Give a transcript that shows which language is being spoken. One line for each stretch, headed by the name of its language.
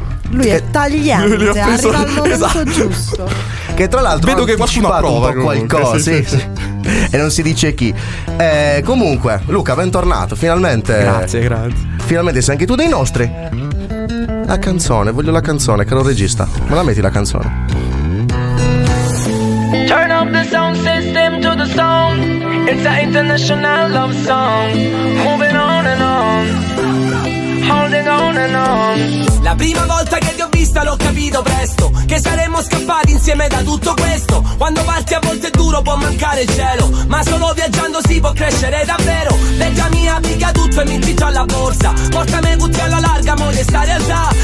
Italian: Lui è tagliante, lui preso, arriva al momento giusto. Che tra l'altro vedo che qualcuno prova qualcosa, sì, sì, sì. E non si dice chi. Comunque, Luca, bentornato, finalmente. Grazie, grazie. Finalmente sei anche tu dei nostri. La canzone, voglio la canzone, caro regista. Me la metti la canzone?
English: Turn up the sound system to the song. It's an international love song. Moving on and on. Holding on and on.
Italian: La prima volta che ti ho vista l'ho capito presto, che saremmo scappati insieme da tutto questo. Quando parti a volte è duro, può mancare il cielo, ma solo viaggiando si può crescere davvero. Leggiami a piga tutto e mi zitto alla borsa. Portami tutti alla larga, moglie sta realtà.